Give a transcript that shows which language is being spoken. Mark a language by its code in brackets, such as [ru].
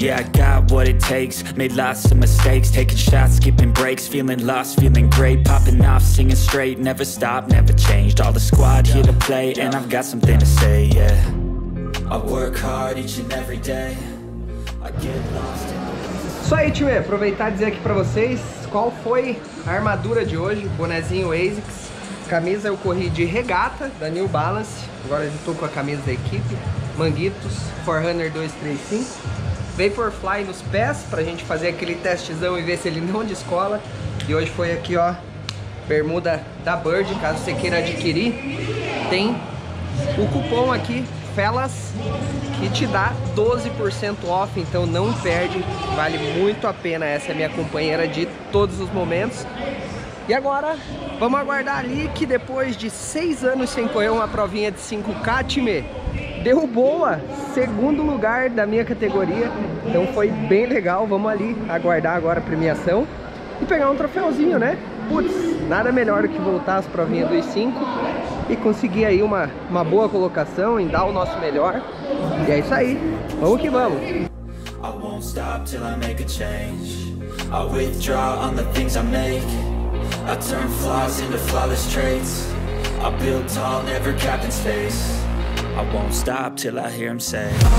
[en] Yeah, I got what it takes, made lots of mistakes. Taking shots, skipping breaks, feeling lost, feeling great. Popping off, singing straight, never stopped, never changed. All the squad here to play and I've got something to say, yeah. I work hard each and every day. I get lost in [pt] isso aí, tio, aproveitar e dizer aqui pra vocês qual foi a armadura de hoje, bonezinho ASICS, camisa eu corri de regata da New Balance, agora eu tô com a camisa da equipe, manguitos, 4Runner 235, Vaporfly nos pés pra gente fazer aquele testezão e ver se ele não descola, e hoje foi aqui ó, bermuda da Bird, caso você queira adquirir, tem o cupom aqui, Felas, que te dá 12% off, então não perde, vale muito a pena, essa é minha companheira de todos os momentos. E agora, vamos aguardar ali que depois de 6 anos sem correr uma provinha de 5K, time, derrubou a segundo lugar da minha categoria, então foi bem legal, vamos ali aguardar agora a premiação e pegar um troféuzinho, né? Putz, nada melhor do que voltar às provinhas dos 5 e conseguir aí uma boa colocação em dar o nosso melhor. E é isso aí, vamos que vamos! [en] I won't stop till I make a change. I withdraw on the things I make. I turn flaws into flawless traits. I build tall, never capped in space. I won't stop till I hear him say.